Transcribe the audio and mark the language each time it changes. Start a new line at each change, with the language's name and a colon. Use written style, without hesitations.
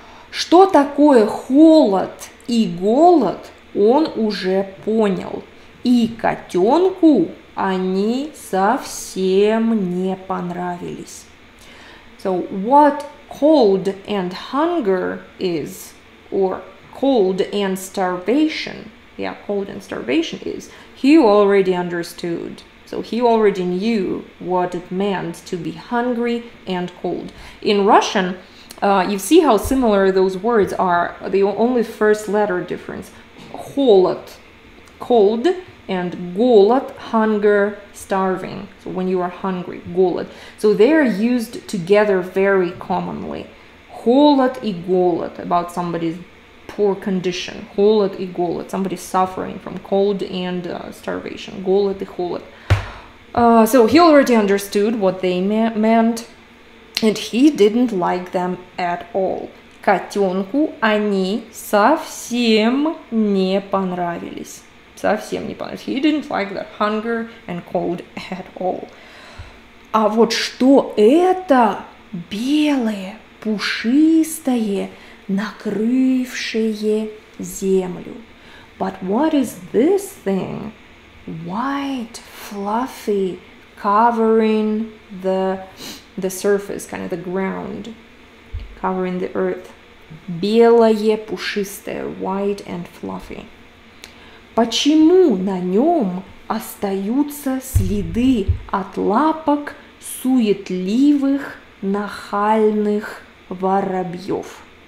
Russian: Что такое холод и голод, он уже понял. И котенку они совсем не понравились.
English: So, what cold and hunger is, or cold and starvation, yeah, cold and starvation is, he already understood. So he already knew what it meant to be hungry and cold. In Russian, you see how similar those words are. The only first letter difference. Холод, cold, and голод, hunger, starving. So when you are hungry, голод. So they are used together very commonly.
Russian: Холод и голод,
English: about somebody's poor condition.
Russian: Холод и голод,
English: somebody suffering from cold and starvation.
Russian: Голод и холод.
English: So he already understood what they meant, and he didn't like them at all.
Russian: Котенку они совсем не понравились. Совсем не понравились.
English: He didn't like the hunger and cold at all.
Russian: А вот что это белое, пушистое, накрывшее землю?
English: But what is this thing? White, fluffy, covering the surface, kind of the ground, covering the earth.
Russian: Белое, пушистое,
English: white and fluffy.
Russian: Почему на нем остаются следы от лапок суетливых, нахальных воробьев?